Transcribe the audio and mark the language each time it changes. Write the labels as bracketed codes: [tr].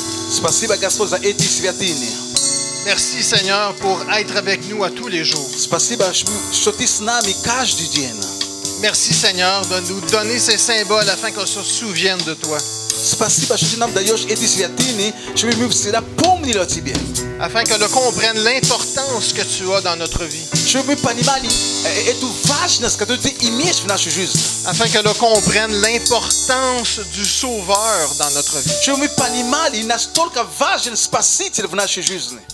[ru] Спасибо, Господь, за эти святыни. [fr] Merci Seigneur pour être avec nous à tous les jours. [ru] Спасибо, что ты с нами каждый день. [fr] Merci Seigneur de nous donner ces symboles afin qu'on se souvienne de toi. [ru] Спасибо, что ты нам даешь эти святыни, чтобы мы всегда помнили о тебе. [fr] Afin que l'on comprenne l'importance que tu as dans notre vie. Afin que l'on comprenne l'importance du Sauveur dans notre vie.